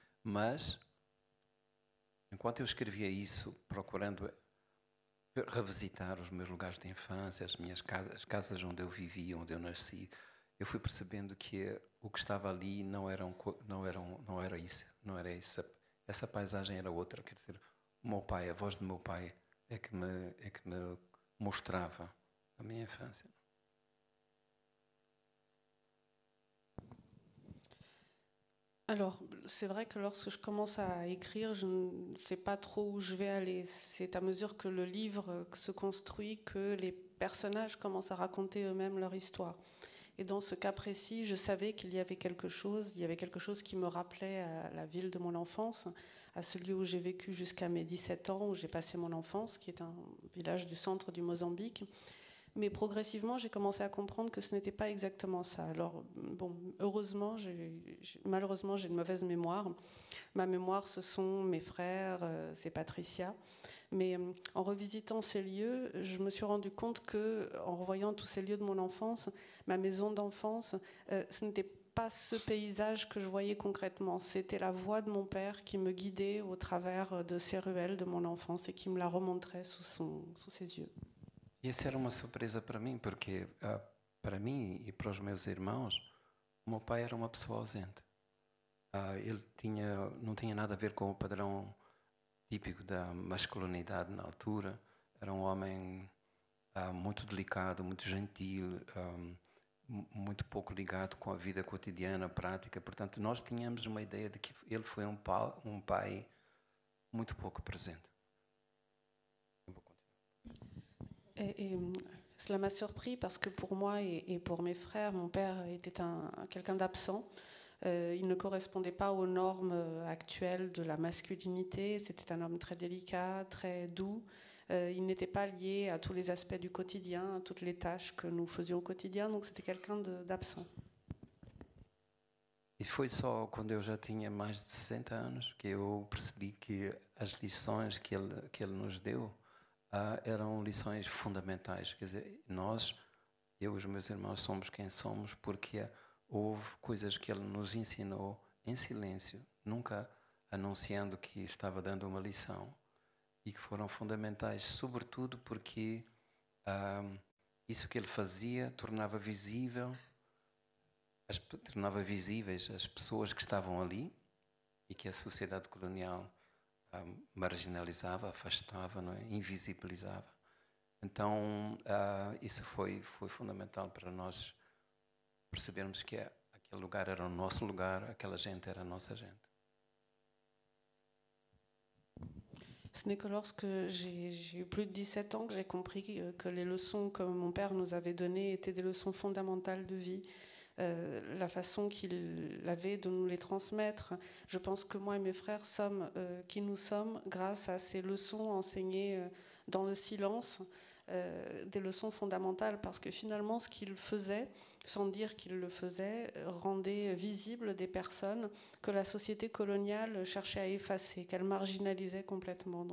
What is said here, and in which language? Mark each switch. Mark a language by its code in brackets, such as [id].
[pt] Mas enquanto eu escrevia isso, procurando revisitar os meus lugares de infância, as minhas casas, as casas onde eu vivi, onde eu nasci, eu fui percebendo que o que estava ali não era isso, não era isso. Essa paisagem era outra, quer dizer, o meu pai, a voz do meu pai é que me mostrava a minha infância. [fr] Alors, c'est vrai que lorsque je commence à écrire, je ne sais pas trop où je vais aller. C'est à mesure que le livre se construit que les personnages commencent à raconter eux-mêmes leur histoire. Et dans ce cas précis, je savais qu'il y avait quelque chose, il y avait quelque chose qui me rappelait à la ville de mon enfance, à ce lieu où j'ai vécu jusqu'à mes 17 ans, où j'ai passé mon enfance, qui est un village du centre du Mozambique. Mais progressivement, j'ai commencé à comprendre que ce n'était pas exactement ça. Alors, bon, heureusement, malheureusement, j'ai une mauvaise mémoire. Ma mémoire, ce sont mes frères, c'est Patricia. Mais en revisitant ces lieux, je me suis rendu compte que, en revoyant tous ces lieux de mon enfance, ma maison d'enfance, ce n'était pas ce paysage que je voyais concrètement. C'était la voix de mon père qui me guidait au travers de ces ruelles de mon enfance et qui me la remontrait sous ses yeux. [pt] E essa era uma surpresa para mim, porque para mim e para os meus irmãos, o meu pai era uma pessoa ausente. Ele não tinha nada a ver com o padrão típico da masculinidade na altura. Era um homem muito delicado, muito gentil, muito pouco ligado com a vida cotidiana, prática. Portanto, nós tínhamos uma ideia de que ele foi um pai muito pouco presente. [fr] Et cela m'a surpris parce que pour moi et pour mes frères, mon père était quelqu'un d'absent. Il ne correspondait pas aux normes actuelles de la masculinité. C'était un homme très délicat, très doux. Il n'était pas lié à tous les aspects du quotidien, à toutes les tâches que nous faisions au quotidien. Donc c'était quelqu'un d'absent. [pt] Et foi só quando eu já tinha mais de 60 anos que eu percebi que as lições que ele nos deu eram lições fundamentais, quer dizer, nós, eu e os meus irmãos, somos quem somos porque houve coisas que ele nos ensinou em silêncio, nunca anunciando que estava dando uma lição e que foram fundamentais, sobretudo porque isso que ele fazia tornava visível, tornava visíveis as pessoas que estavam ali e que a sociedade colonial marginalizava, afastava, não é? Invisibilizava. Então, isso foi fundamental para nós percebermos que aquele lugar era o nosso lugar, aquela gente era a nossa gente. [fr] Ce n'est que lorsque j'ai eu plus de 17 ans que j'ai compris que les leçons que mon père nous avait données étaient des leçons fondamentales de vie. La façon qu'il avait de nous les transmettre. Je pense que moi et mes frères sommes qui nous sommes grâce à ces leçons enseignées dans le silence, des leçons fondamentales, parce que finalement ce qu'il faisait, sans dire qu'il le faisait, rendait visibles des personnes que la société coloniale cherchait à effacer, qu'elle marginalisait complètement.